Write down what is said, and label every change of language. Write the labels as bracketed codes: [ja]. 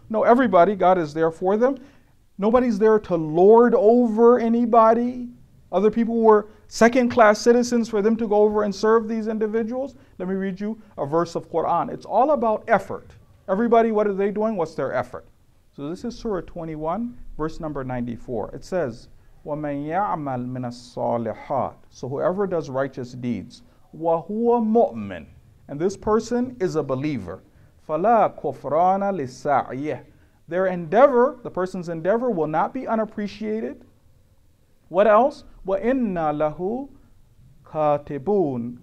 [en] No, everybody, God is there for them. Nobody's there to lord over anybody. Other people were second-class citizens for them to go over and serve these individuals. Let me read you a verse of Quran. It's all about effort. Everybody, what are they doing? What's their effort? So this is Surah 21, verse number 94. It says, [ar] وَمَنْ يَعْمَلْ مِنَ الصَّالِحَاتِ. [en] So whoever does righteous deeds, [ar] وَهُوَ مُؤْمِنٌ. [en] And this person is a believer. [ar] فَلَا كُفْرَانَ لِسَعْيِهِ. [en] Their endeavor, the person's endeavor, will not be unappreciated. What else? [ar] وَإِنَّ لَهُ كَاتِبُونَ.